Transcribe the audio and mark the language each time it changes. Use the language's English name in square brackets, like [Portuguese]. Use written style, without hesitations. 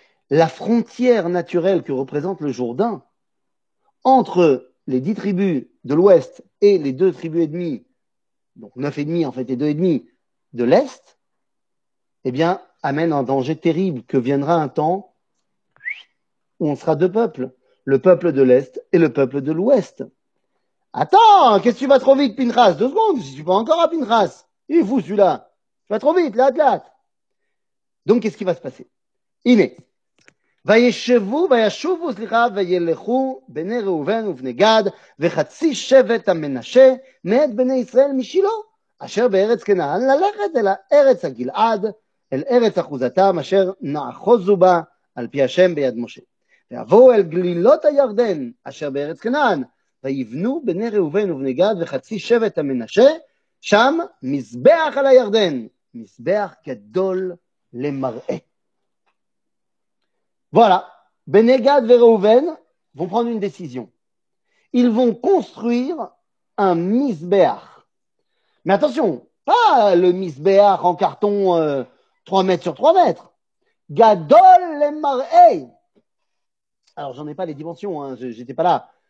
[French] La frontière naturelle que représente le Jourdain entre les 10 tribus de l'Ouest et les 2 tribus et demi, donc 9 et demi en fait et 2 et demi de l'Est, eh bien, amène un danger terrible que viendra un temps où on sera deux peuples, le peuple de l'Est et le peuple de l'Ouest. Attends, qu'est-ce que tu vas trop vite, Pinchas? 2 secondes, si tu vas encore à Pinchas, il est fou celui-là. Tu vas trop vite, l'Atlas. Donc, qu'est-ce qui va se passer? Iné. [Hebrew] וישבו וישובו סליחה וילכו בני ראובן ובני גד וחצי שבט המנשה מאת בני ישראל משילו אשר בארץ כנען ללכת אל הארץ הגלעד אל ארץ אחוזתם אשר נאחוזו בה על פי השם ביד משה ויבואו אל גלילות הירדן אשר בארץ כנען ויבנו בני ראובן ובני גד וחצי שבט המנשה שם מזבח על הירדן מזבח גדול למראה. [French] Voilà, Béné Gad et Reuven vont prendre une décision. Ils vont construire un misbéach. Mais attention, pas le misbéach en carton 3 mètres sur 3 mètres. [Hebrew] Gadol le maré. [French] Alors, j'en ai pas les dimensions, hein, j'étais pas là.